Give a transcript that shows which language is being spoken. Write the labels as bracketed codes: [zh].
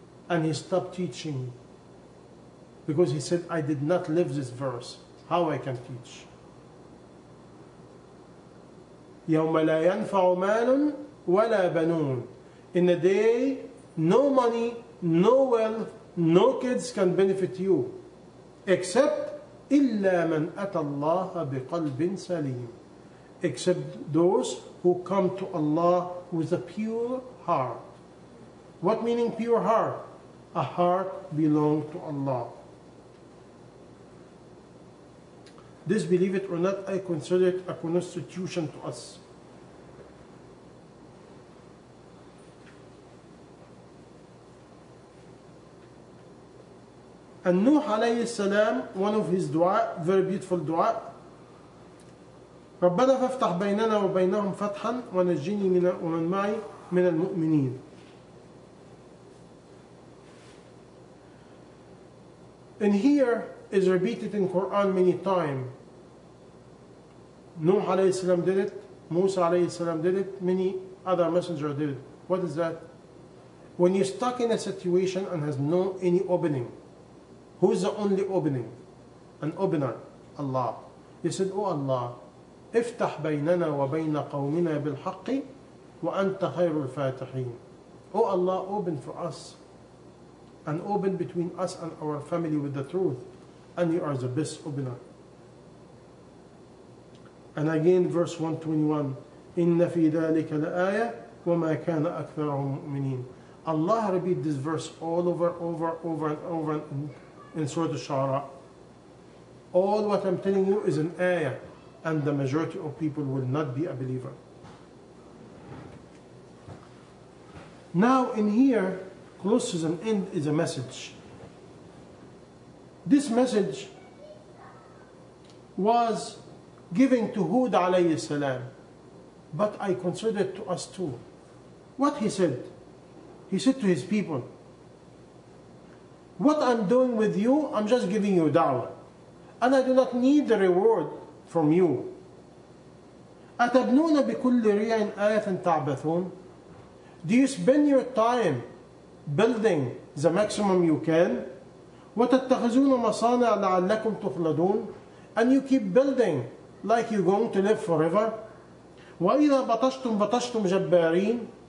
[en] And he stopped teaching. Because he said, I did not live this verse. How I can teach? [ar] يَوْمَ لَا يَنْفَعُ مَالٌ وَلَا بَنُونَ. [en] In a day, no money, no wealth, no kids can benefit you. Except, [ar] إِلَّا مَنْ أَتَى اللَّهَ بِقَلْبٍ سَلِيمٍ. [en] Except those who come to Allah with a pure heart. What meaning pure heart? A heart belongs to Allah. This, believe it or not, I consider it a constitution to us. And Nuh alayhi salam, one of his dua, very beautiful dua. [ar] رَبَّنَا فَافْتَحْ بَيْنَنَا وَبَيْنَهُمْ فَتْحًا وَنَجِّنِي مِنَ وَمَنْ مَعِي مِنَ الْمُؤْمِنِينَ. [en] And here is repeated in Quran many times. Nuh alayhi salam did it, Musa alayhi salam did it, many other messengers did it. What is that? When you're stuck in a situation and has no any opening, who's the only opening? An opener, Allah. He said, oh Allah, [ar] افتح بيننا وبين قومنا بالحق وأنت خير الفاتحين. [en] Oh Allah, open for us and open between us and our family with the truth, and you are the best opener. And again, verse 121, [ar] إِنَّ فِي ذَلِكَ لَآيَةٌ وَمَا كَانَ أَكْثَرُهُمْ مُؤْمِنِينَ. [en] Allah repeat this verse all over, over, over and over and in Surah Al-Shu'ara. All what I'm telling you is an ayah, and the majority of people will not be a believer. Now in here, close to an end is a message. This message was given to Hud alayhi salam, but I consider it to us too. What he said? He said to his people, what I'm doing with you, I'm just giving you da'wah. And I do not need the reward from you. [ar] أتبنون بكل ريع آية تعبثون. [en] Do you spend your time building the maximum you can? [ar] وتتخذون مصانع لعلكم تخلدون. [en] And you keep building like you're going to live forever. [ar] وإذا بطشتم بطشتم جبارين.